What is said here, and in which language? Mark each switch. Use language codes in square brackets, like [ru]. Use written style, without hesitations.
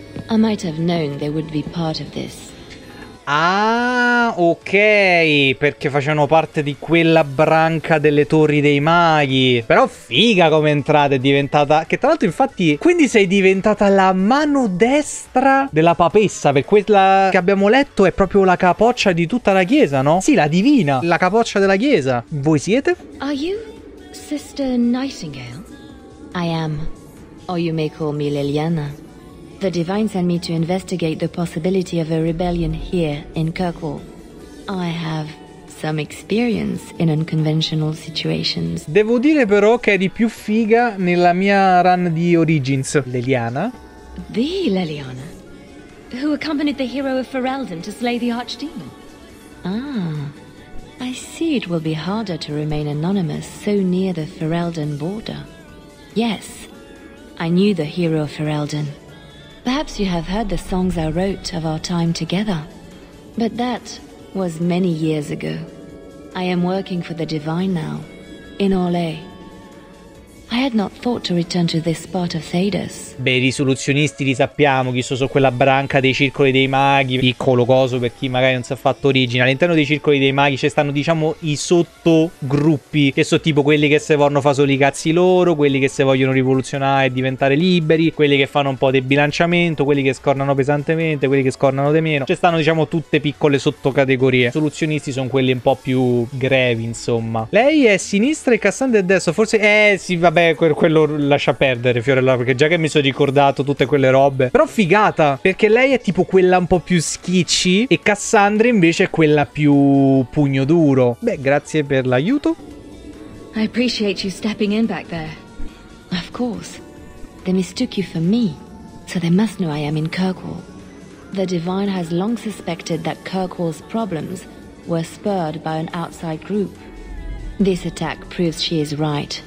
[en] I might have known they would be part of this. [it] Ah, ok, perché facevano parte di quella branca delle torri dei maghi. Però figa come entrata, è diventata... Che tra l'altro infatti, quindi sei diventata la mano destra della papessa. Per quella che abbiamo letto è proprio la capoccia di tutta la chiesa, no? Sì, la divina, la capoccia della chiesa. Voi siete? [en] Are you Sister Nightingale? I am, or you may call me Liliana. The Divine sent me to investigate the possibility of a rebellion here in Kirkwall. I have some experience in unconventional situations. [it] Devo dire però che eri più figa nella mia run di Origins, Liliana. [en] The Liliana? Who accompanied the hero of Ferelden to slay the Archdemon? Ah, I see it will be harder to remain anonymous so near the Ferelden border. Yes, I knew the hero of Ferelden. Perhaps you have heard the songs I wrote of our time together. But that was many years ago. I am working for the Divine now, in Orlais. I had not thought to return to this part of Thedas. [it] Beh, i risoluzionisti li sappiamo, chi sono quella branca dei circoli dei maghi. Piccolo coso per chi magari non si è fatto origine. All'interno dei circoli dei maghi ci stanno, diciamo, i sottogruppi, che sono tipo quelli che se vogliono fare solo i cazzi loro, quelli che se vogliono rivoluzionare e diventare liberi, quelli che fanno un po' di bilanciamento, quelli che scornano pesantemente, quelli che scornano di meno. Ci stanno, diciamo, tutte piccole sottocategorie. I risoluzionisti sono quelli un po' più grevi, insomma. Lei è sinistra e Cassandra è destra. Forse, sì, va. Vabbè, quello lascia perdere, Fiorella, perché già che mi sono ricordato tutte quelle robe. Però figata, perché lei è tipo quella un po' più schicci e Cassandra invece è quella più pugno duro. Beh, grazie per l'aiuto. [en] I appreciate you stepping in back there. Of course, they mistook you for me, so they must know I am in Kirkwall. The Divine has long suspected that Kirkwall's problems were spurred by an outside group. This attack proves she is right.